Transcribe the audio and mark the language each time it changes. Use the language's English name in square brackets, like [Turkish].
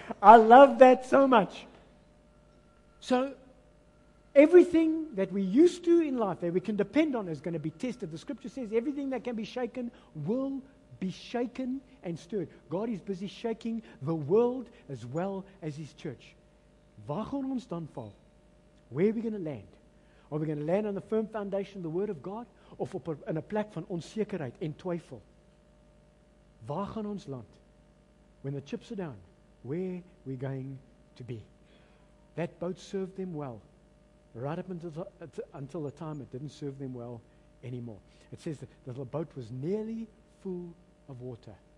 [English] I love that so much. So, everything that we used to in life, that we can depend on, is going to be tested. The scripture says everything that can be shaken will be shaken and stirred. God is busy shaking the world as well as His church. [Afrikaans] Waar gaan ons dan val? [English] Where are we going to land? Are we going to land on the firm foundation of the Word of God? [Afrikaans] Of op [English] in a [Afrikaans] plek van onzekerheid en twijfel? Waar gaan ons land? [English] When the chips are down, where are we going to be? That boat served them well, right up until the time it didn't serve them well anymore. It says that the boat was nearly full of water.